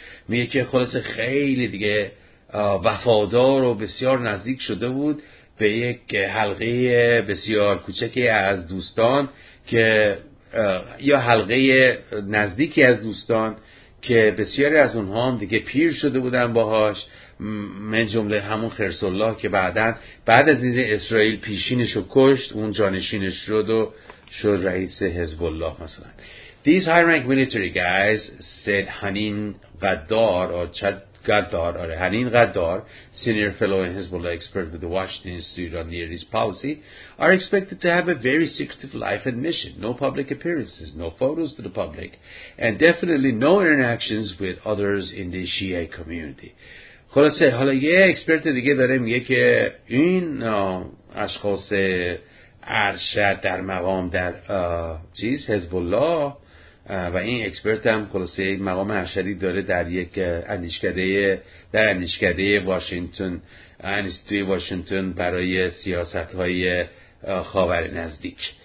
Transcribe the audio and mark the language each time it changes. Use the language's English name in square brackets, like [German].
[Persian] میگه که خلاصه خیلی دیگه وفادار و بسیار نزدیک شده بود به یک حلقه بسیار کوچکی از دوستان که یا حلقه نزدیکی از دوستان که بسیاری از اونها هم دیگه پیر شده بودن باهاش، من جمله همون خرس الله که بعد از این اسرائیل پیشینش رو کشت، اون جانشینش شد و شد رئیس حزب الله مثلا. [English] These high rank military guys said Hanin Gaddar or Chad Gaddar or Hanin Gaddar, senior fellow and Hezbollah expert with the Washington Institute on Near East Policy, are expected to have a very secretive life and mission. No public appearances, no photos to the public, and definitely no interactions with others in the Shia community. [Persian] خلاصه حالا یه اکسپرت دیگه داره میگه که این اشخاص ارشد در مقام در چیز حزب الله و این اکسپرت هم خلاصه مقام ارشدی داره در یک اندیشکده در اندیشکده واشنگتن انستیتوی واشنگتن برای سیاست‌های خاور نزدیک.